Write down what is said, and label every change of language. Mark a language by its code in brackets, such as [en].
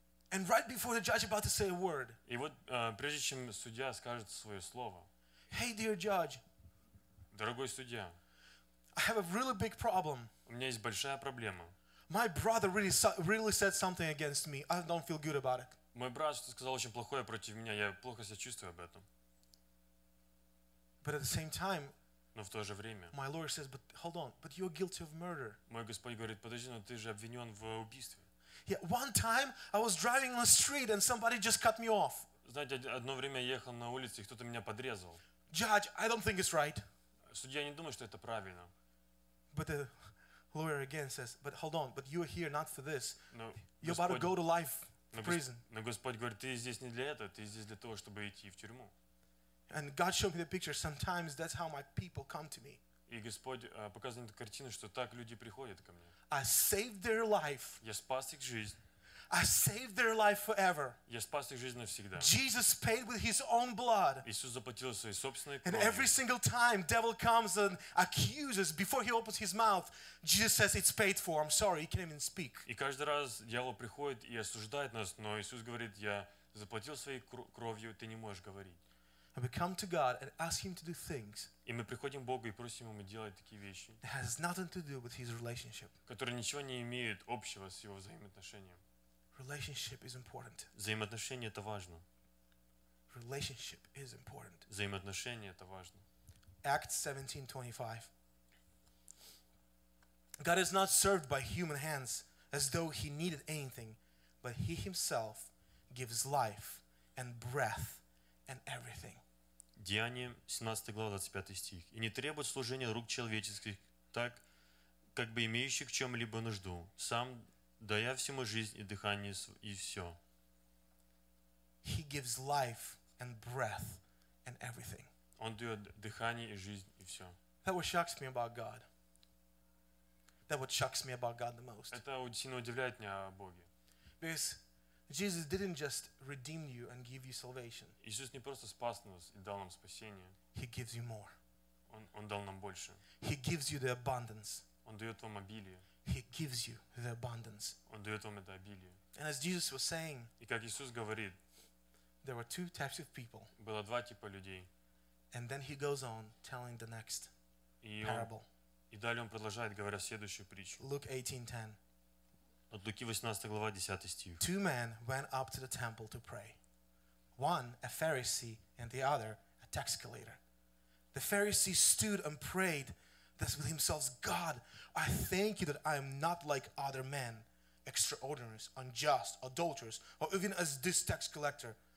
[en] And right before the judge about to say a word. [ru] И вот прежде чем судья скажет свое слово. [en] Hey, dear judge. [ru] Дорогой судья. [en] I have a really big problem. [ru] У меня есть большая проблема. [en] My brother really said something against me. I don't feel good about it. [ru] Мой брат что-то сказал очень плохое против меня. Я плохо себя чувствую об этом. [en] But at the same time. [ru] Но в то же время. [en] My lawyer says, but hold on, but you're guilty of murder. [ru] Мой господин говорит, подожди, но ты же обвинен в убийстве. [en] Yeah, one time I was driving on the street and somebody just cut me off. [ru] Знаете, одно время я ехал на улице и кто-то меня подрезал. [en] Judge, I don't think it's right. [ru] Судья, не думаю, что это правильно. [en] But the lawyer again says, but hold on, but you're here not for this. [ru] Но [en] you're about to go to life in prison. [ru] Но Господь говорит, ты здесь не для этого, ты здесь для того, чтобы идти в тюрьму. [en] And God showed me the picture. Sometimes that's how my people come to me. [ru] И Господь показывает эту картину, что так люди приходят ко мне. [en] I saved their life. [ru] Я спас их жизнь. [en] I saved their life forever. [ru] Я спас их жизнь навсегда. [en] Jesus paid with His own blood. [ru] Иисус заплатил своей собственной кровью. [en] And every single time devil comes and accuses before he opens his mouth, Jesus says it's paid for. I'm sorry, he can't even speak. [ru] И каждый раз дьявол приходит и осуждает нас, но Иисус говорит, я заплатил своей кровью, ты не можешь говорить. [en] And we come to God and ask Him to do things. [ru] И мы приходим к Богу и просим Его делать такие вещи. [en] That has nothing to do with His relationship. [ru] Которые ничего не имеют общего с Его взаимоотношением. [en] Relationship is important. [ru] Взаимоотношения это важно. [en] Relationship is important. [ru] Взаимоотношения это важно. [en] Acts 17:25. God is not served by human hands as though He needed anything, but He Himself gives life and breath. And everything. [ru] Деяния, 17 глава, 25 стих. И не требует служения рук человеческих, так, как бы имеющих в чем-либо нужду, сам дая всему жизнь и дыхание, и все. [en] He gives life and breath and everything. [ru] Он дает дыхание и жизнь, и все. [en] That what shocks me about God. That what shocks me about God the most. [ru] Это сильно удивляет меня о Боге. [en] Because Jesus didn't just redeem you and give you salvation. [ru] Иисус не просто спас нас и дал нам спасение. [en] He gives you more. [ru] Он дал нам больше. [en] He gives you the abundance. [ru] Он дает вам обилие. [en] He gives you the abundance. [ru] Он дает вам это обилие. [en] And as Jesus was saying, [ru] и как Иисус говорит, [en] there were two types of people. [ru] Было два типа людей. [en] And then he goes on telling the next parable. [ru] И далее он продолжает, говоря следующую притчу. [en] Luke 18:10. [ru] От Луки 18 глава 10 стих. [en] Two men went up to the temple to pray. One a Pharisee and the other a tax collector. The Pharisee stood and prayed thus with himself, God, I thank you that I am not like other men, extraordinary, unjust, adulterers, or even as this tax collector.